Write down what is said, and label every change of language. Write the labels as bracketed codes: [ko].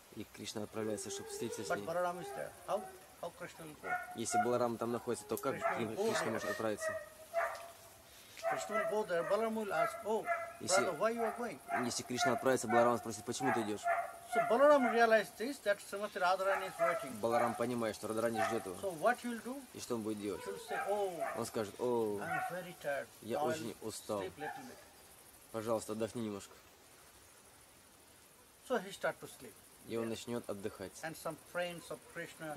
[ru] И Кришна отправляется, чтобы встретиться [en] but [ru] с ней. [en] But Balaram is there. How Krishna will go? [ru] Если Баларам там находится, то как Кришна может отправиться? [en] Krishna will go there. Balaram will ask, brother, why you are going? [ru] Если Кришна отправится, Баларам спросит, почему ты идешь? [en] So Balaram realized this, that Srimati Radharani is waiting. [ru] Баларам понимает, что Радхарани ждет его. [en] So what he will do? [ru] И что он будет делать? [en] He'll say, oh, [ru] он скажет, о, я очень устал. Пожалуйста, отдохни немножко. [en] So he start to sleep. [ru] И он начнет отдыхать. [en] And some friends of Krishna,